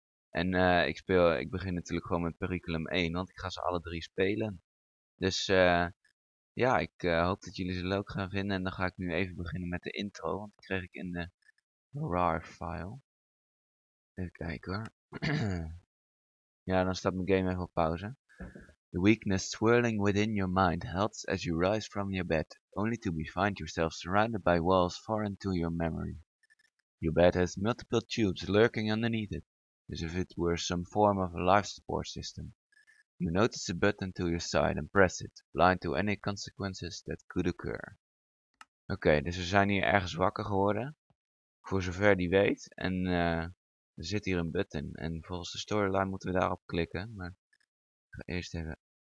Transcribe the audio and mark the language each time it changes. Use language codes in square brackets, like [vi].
[nl] En ik begin natuurlijk gewoon met Periculum 1, want ik ga ze alle drie spelen. Dus ik hoop dat jullie ze leuk gaan vinden en dan ga ik nu even beginnen met de intro, want die kreeg ik in de RAR file. Even kijken hoor. Ja, dan staat mijn game even op pauze. [en] The weakness swirling within your mind helps as you rise from your bed, only to find yourself surrounded by walls foreign to your memory. Your bed has multiple tubes lurking underneath it, as if it were some form of a life support system. You notice a button to your side and press it, blind to any consequences that could occur. [nl] Okay, dus we zijn hier ergens wakker geworden, voor zover die weet, en er zit hier een button, en volgens de storyline moeten we daarop klikken, maar ik ga eerst even...